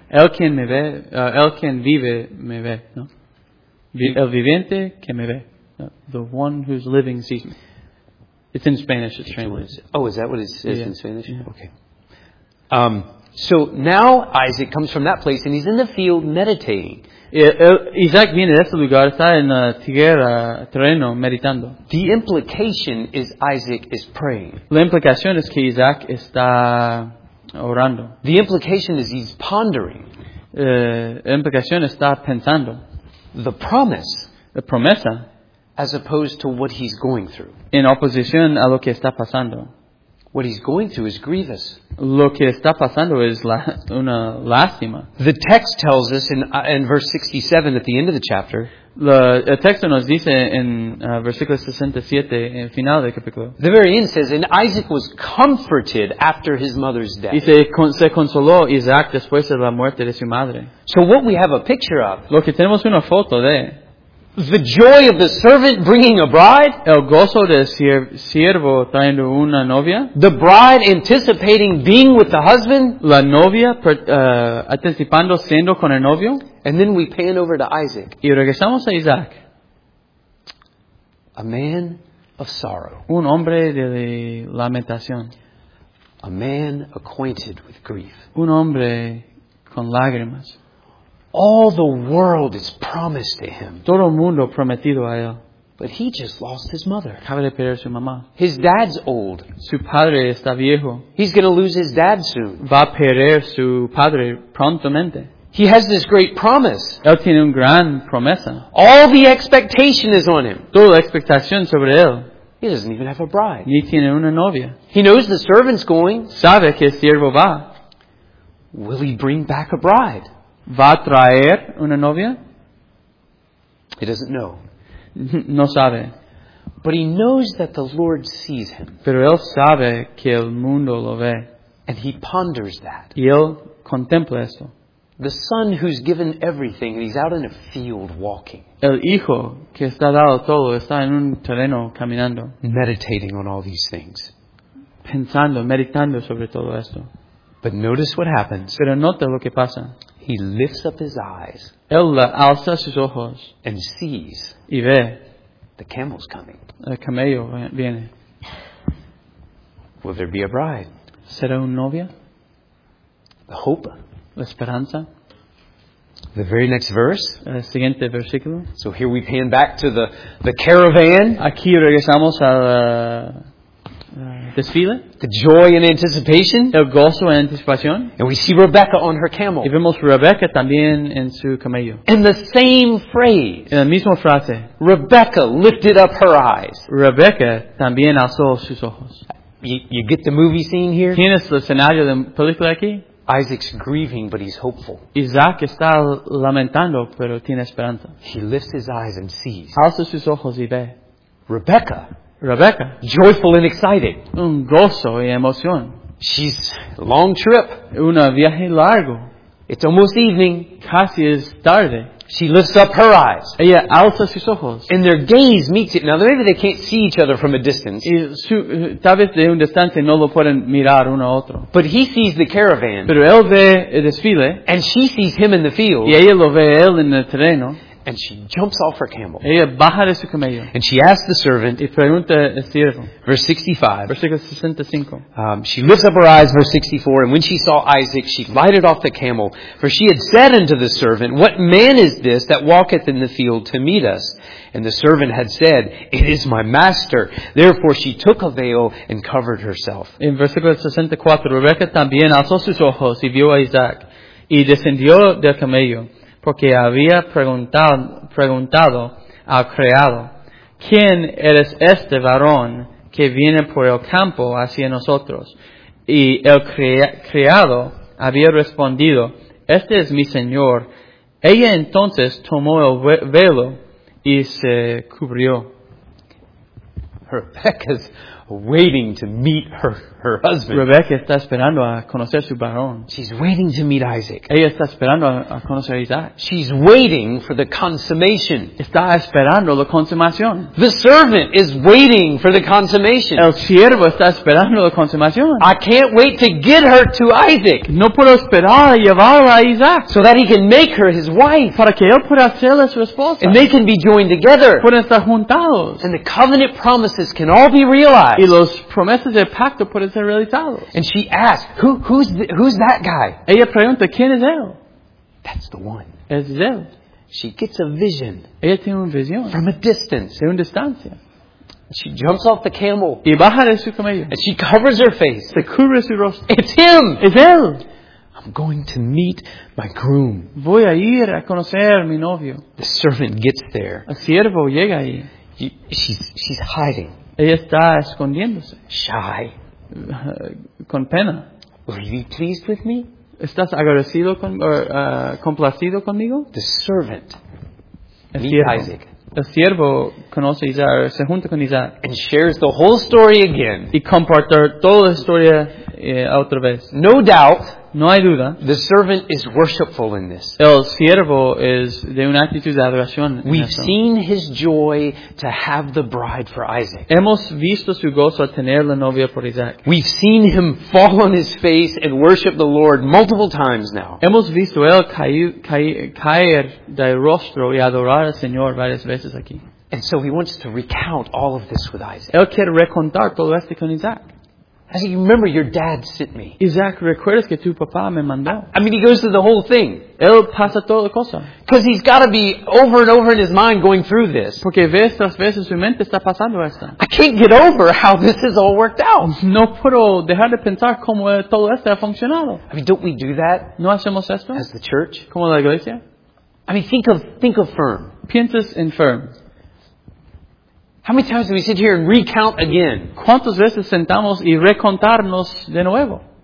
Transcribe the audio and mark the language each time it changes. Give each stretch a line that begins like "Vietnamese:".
Spanish: El quien me ve, el quien vive me ve, no? El viviente que me ve. No?
English: The one who's living sees me. It's in Spanish, it's translated. Oh, is that what it says in Spanish? Yeah. Okay. So now Isaac comes from that place and he's in the field meditating.
Spanish: Isaac viene de ese lugar, está en la tierra, terreno, meditando.
English: The implication is Isaac is praying.
Spanish: La implicación es que Isaac está orando.
English: The implication is he's pondering.
Spanish: La implicación está pensando.
English: The promise.
Spanish: La promesa.
English: As opposed to what he's going through.
Spanish: En oposición a lo que está pasando.
English: What he's going through is grievous.
Spanish: Lo que está pasando es una lástima.
English: The text tells us in verse 67 at the end of the chapter.
Spanish: El texto nos dice en versículo 67, en final del capítulo.
English: The very end says, and Isaac was comforted after his mother's death.
Spanish: Dice, se consoló Isaac después de la muerte de su madre.
English: So what we have a picture of.
Spanish: Lo que tenemos una foto de.
English: The joy of the servant bringing a bride.
Spanish: El gozo del siervo trayendo una novia.
English: The bride anticipating being with the husband.
Spanish: La novia anticipando siendo con el novio.
English: And then we pan over to Isaac.
Spanish: Y regresamos a Isaac.
English: A man of sorrow.
Spanish: Un hombre de lamentación.
English: A man acquainted with grief.
Spanish: Un hombre con lágrimas.
English: All the world is promised to him.
Spanish: Todo mundo prometido a él.
English: But he just lost his mother.
Spanish: Acaba de perder su mamá.
English: His dad's old.
Spanish: Su padre está viejo.
English: He's going to lose his dad soon.
Spanish: Va a perder su padre prontamente.
English: He has this great promise.
Spanish: Él tiene una gran promesa.
English: All the expectation is on him.
Spanish: Toda la expectación sobre él.
English: He doesn't even have a bride.
Spanish: Ni tiene una novia.
English: He knows the servant's going.
Spanish: Sabe que el siervo va.
English: Will he bring back a bride?
Spanish: ¿Va a traer una novia?
English: He doesn't know.
Spanish: No sabe.
English: But he knows that the Lord sees him.
Spanish: Pero él sabe que el mundo lo ve.
English: And he ponders that.
Spanish: Y él contempla eso.
English: The son who's given everything and he's out in a field walking.
Spanish: El hijo que está dado todo está en un terreno caminando.
English: Meditating on all these things.
Spanish: pensando, meditando sobre todo esto.
English: But notice what happens.
Spanish: Pero nota lo que pasa.
English: He lifts up his eyes.
Spanish: Él alza sus ojos.
English: And sees.
Spanish: Y ve.
English: The camel's coming.
Spanish: El camello viene.
English: Will there be a bride?
Spanish: ¿Será una novia?
English: The hope.
Spanish: La esperanza.
English: The very next verse.
Spanish: El siguiente versículo.
English: So here we pan back to the caravan.
Spanish: Aquí regresamos al desfile.
English: The joy and anticipation.
Spanish: El gozo en anticipación.
English: And we see Rebecca on her camel.
Spanish: Y vemos Rebecca también en su camello.
English: And the same phrase.
Spanish: En la misma frase.
English: Rebecca lifted up her eyes.
Spanish: Rebecca también alzó sus ojos.
English: You get the movie scene here?
Spanish: ¿Tienes el escenario de película aquí?
English: Isaac's grieving, but he's hopeful.
Spanish: Isaac está lamentando, pero tiene esperanza.
English: He lifts his eyes and sees.
Spanish: Alza sus ojos y ve.
English: Rebecca. Joyful and excited.
Spanish: Un gozo y emoción.
English: She's long trip.
Spanish: Un viaje largo.
English: It's almost evening.
Spanish: Casi es tarde.
English: She lifts up her eyes.
Spanish: Ella alza sus ojos.
English: And their gaze meets it. Now maybe they can't see each other from a distance.
Spanish: Y su, tal vez de un distante no lo pueden mirar uno a otro.
English: But he sees the caravan.
Spanish: Pero él ve el desfile.
English: And she sees him in the field.
Spanish: Y ella lo ve él en el terreno.
English: And she jumps off her camel.
Spanish: Ella baja de su camello.
English: And she asks the servant.
Spanish: Y pregunta el siervo.
English: Verse 65.
Spanish: Versículo 65.
English: She lifts up her eyes, verse 64. And when she saw Isaac, she lighted off the camel. For she had said unto the servant, What man is this that walketh in the field to meet us? And the servant had said, It is my master. Therefore she took a veil and covered herself.
Spanish: En versículo 64, Rebeca también alzó sus ojos y vio a Isaac. Y descendió del camello. Porque había preguntado al criado, ¿Quién eres este varón que viene por el campo hacia nosotros? Y el criado había respondido, Este es mi señor. Ella entonces tomó el velo y se cubrió.
English: Rebecca's waiting to meet her husband.
Spanish: Rebecca está esperando a conocer su varón.
English: She's waiting to meet Isaac.
Spanish: Ella está esperando a conocer a Isaac.
English: She's waiting for the consummation.
Spanish: Está esperando la consumación.
English: The servant is waiting for the consummation.
Spanish: El siervo está esperando la consumación.
English: I can't wait to get her to Isaac.
Spanish: No puedo esperar a llevarla a Isaac.
English: So that he can make her his wife.
Spanish: Para que él pueda hacerle su esposa.
English: And they can be joined together.
Spanish: Pueden estar juntados.
English: And the covenant promises can all be realized.
Spanish: Y los promesas del pacto pueden ser realizados.
English: And she asks, who's that guy?
Spanish: Ella pregunta, ¿quién es él?
English: That's the one.
Spanish: Es él.
English: She gets a vision.
Spanish: Ella tiene una visión.
English: From a distance.
Spanish: De una distancia.
English: She jumps off the camel.
Spanish: Y baja de su camello.
English: And she covers her face.
Spanish: Se cubre su rostro.
English: It's him.
Spanish: Es él.
English: I'm going to meet my groom.
Spanish: Voy a ir a conocer mi novio.
English: The servant gets there.
Spanish: El siervo llega ahí.
English: She's hiding.
Spanish: Ella está escondiéndose.
English: Shy.
Spanish: Con pena.
English: Are you pleased with me?
Spanish: ¿Estás agradecido con, complacido conmigo?
English: The servant.
Spanish: El siervo.
English: Isaac.
Spanish: El siervo conoce a Isaac, se junta con Isaac.
English: And shares the whole story again.
Spanish: Y comparte toda la historia otra vez.
English: No doubt.
Spanish: No hay duda.
English: The servant is worshipful in this.
Spanish: El siervo es de una actitud de adoración.
English: We've seen his joy to have the bride for Isaac.
Spanish: Hemos visto su gozo a tener la novia por Isaac.
English: We've seen him fall on his face and worship the Lord multiple times now.
Spanish: Hemos visto él caer de rostro y adorar al Señor varias veces aquí.
English: And so he wants to recount all of this with Isaac.
Spanish: Él quiere recontar todo esto con Isaac.
English: I said, you remember your dad sent me.
Spanish: Isaac, ¿recuerdas que tu papá me mandó?
English: I mean, he goes through the whole thing.
Spanish: Él pasa toda la cosa.
English: Because he's got to be over and over in his mind going through this.
Spanish: Porque vez tras vez en su mente está pasando esto.
English: I can't get over how this has all worked out.
Spanish: No puedo dejar de pensar cómo todo esto ha funcionado.
English: I mean, don't we do that?
Spanish: ¿No hacemos esto?
English: As the church?
Spanish: Como la iglesia?
English: I mean, think of firm.
Spanish: Piensas en firm.
English: How many times do we sit here and recount again?
Spanish: ¿Cuántas veces sentamos y recontarnos de nuevo?